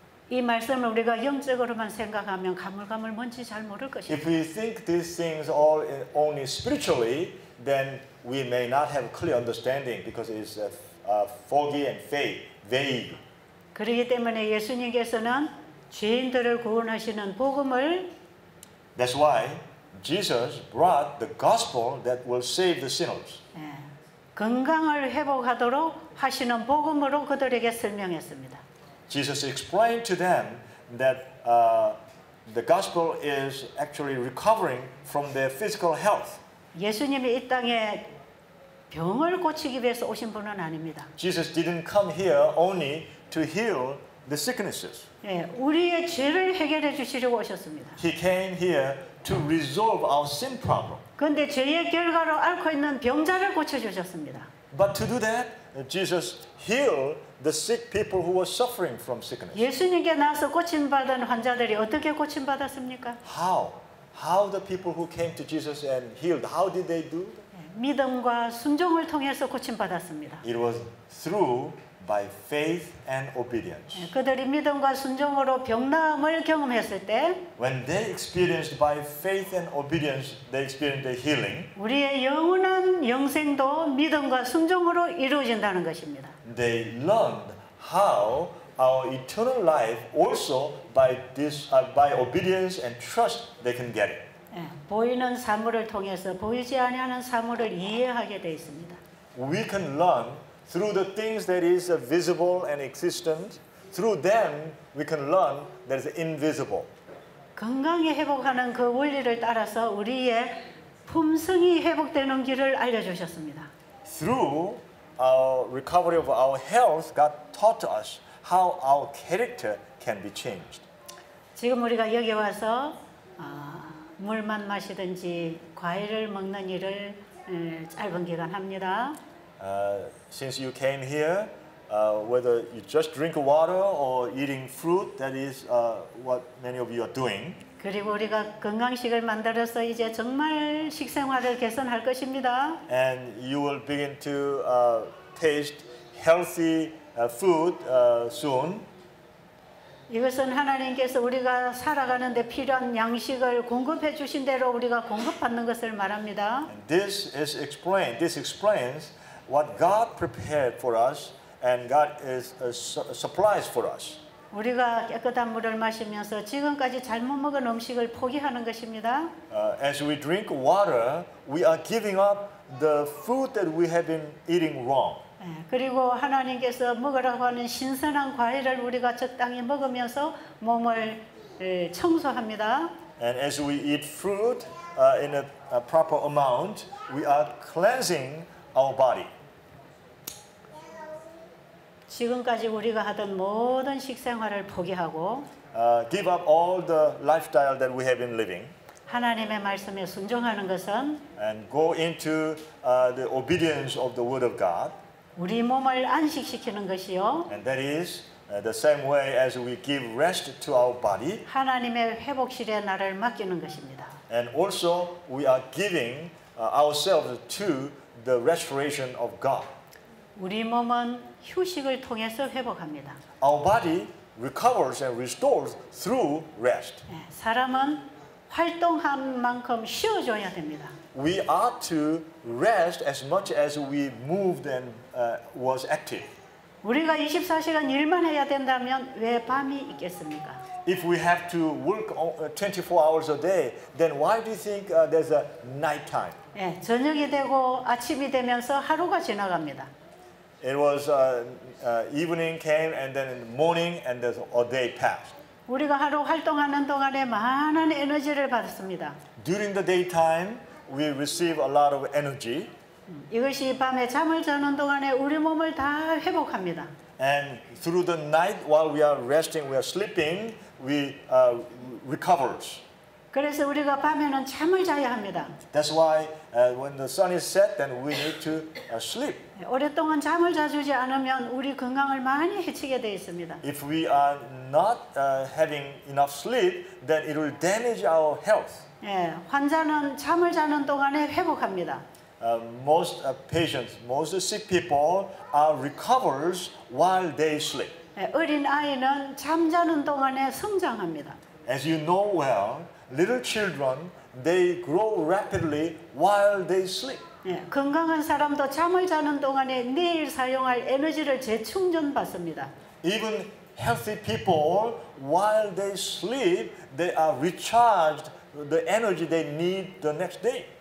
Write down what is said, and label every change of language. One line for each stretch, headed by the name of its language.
Korean: 이 말씀을 우리가 영적으로만 생각하면 가물가물 뭔지 잘 모를 것입니다.
English: If we think these things all only spiritually, then we may not have a clear understanding because it's foggy and vague.
Korean: 그러기 때문에 예수님께서는 죄인들을 구원하시는 복음을
English: That's why Jesus brought the gospel that will save the sinners.
Korean: 건강을 회복하도록 하시는 복음으로 그들에게 설명했습니다.
English: Jesus explained to them that the gospel is actually recovering from their physical health.
Korean: 예수님이 이 땅에 병을 고치기 위해서 오신 분은 아닙니다.
English: Jesus didn't come here only to heal the sicknesses.
Korean: 예, 우리의 죄를 해결해 주시려고 오셨습니다.
English: He came here to resolve our sin problem.
Korean: 근데 죄의 결과로 앓고 있는 병자를 고쳐 주셨습니다.
English: But to do that, Jesus healed the sick people who were suffering from sickness.
Korean: 예수님께 나서 고침 받은 환자들이 어떻게 고침 받았습니까?
English: How the people who came to Jesus and healed, how did they do?
Korean: 믿음과 순종을 통해서 고침 받았습니다.
English: It was through by faith and obedience.
Korean: 그들이 믿음과 순종으로 병나음을 경험했을 때
English: when they experienced by faith and obedience they experienced the healing.
Korean: 우리의 영원한 영생도 믿음과 순종으로 이루어진다는 것입니다.
English: They learned how our eternal life also by this by obedience and trust they can get it.
Korean: 보이는 사물을 통해서 보이지 아니하는 사물을 이해하게 되어 있습니다.
English: We can learn through the things that is visible and existent. Through them, we can learn that is invisible.
Korean: 건강이 회복하는 그 원리를 따라서 우리의 품성이 회복되는 길을 알려주셨습니다.
English: Through our recovery of our health, God taught us how our character can be changed.
Korean: 지금 우리가 여기 와서 물만 마시든지 과일을 먹는 일을 짧은 기간 합니다.
English: Since you came here, whether you just drink water or eating fruit, that is what many of you are doing.
Korean: 그리고 우리가 건강식을 만들어서 이제 정말 식생활을 개선할 것입니다.
English: And you will begin to taste healthy food soon.
Korean: 이것은 하나님께서 우리가 살아가는 데 필요한 양식을 공급해 주신 대로 우리가 공급받는 것을 말합니다.
English: And this is explained. This explains what God prepared for us and God is supplies for us.
Korean: 우리가 깨끗한 물을 마시면서 지금까지 잘못 먹은 음식을 포기하는 것입니다.
English: As we drink water, we are giving up the food that we have been eating wrong.
Korean: 그리고 하나님께서 먹으라고 하는 신선한 과일을 우리가 적당히 먹으면서 몸을 청소합니다.
English: And as we eat fruit in a proper amount, we are cleansing our body.
Korean: 지금까지 우리가 하던 모든 식생활을 포기하고
English: give up all the lifestyle that we have been living.
Korean: 하나님의 말씀에 순종하는 것은
English: and go into the obedience of the word of God.
Korean: 우리 몸을 안식시키는 것이요.
English: And that is the same way as we give rest to our body.
Korean: 하나님의 회복실에 나를 맡기는 것입니다.
English: And also we are giving ourselves to the restoration of God.
Korean: 우리 몸은 휴식을 통해서 회복합니다.
English: Our body recovers and restores through rest.
Korean: 사람은 활동한 만큼 쉬어줘야 됩니다.
English: We ought to rest as much as we moved and was active.
Korean: 우리가 24시간 일만 해야 된다면 왜 밤이 있겠습니까?
English: If we have to work 24 hours a day, then why do you think there's a night time?
Korean: 예, 저녁이 되고 아침이 되면서 하루가 지나갑니다.
English: It was evening came and then morning and there's a day passed.
Korean: 우리가 하루 활동하는 동안에 많은 에너지를 받습니다.
English: During the daytime, we receive a lot of energy.
Korean: 이것이 밤에 잠을 자는 동안에 우리 몸을 다 회복합니다.
English: And through the night, while we are resting, we are sleeping, we recover.
Korean: 그래서 우리가 밤에는 잠을 자야 합니다.
English: That's why when the sun is set, then we need to sleep.
Korean: 오랫동안 잠을 자주지 않으면 우리 건강을 많이 해치게 되어 있습니다.
English: If we are not having enough sleep, then it will damage our health.
Korean: 예, 환자는 잠을 자는 동안에 회복합니다.
English: Most patients, most sick people are recovers while they sleep.
Korean: 예, 어린 아이는 잠자는 동안에 성장합니다.
English: As you know well, little children, they grow rapidly while they sleep.
Korean: 예, 건강한 사람도 잠을 자는 동안에 내일 사용할 에너지를 재충전받습니다.
English: Even healthy people, while they sleep, they are recharged the energy they need the next day.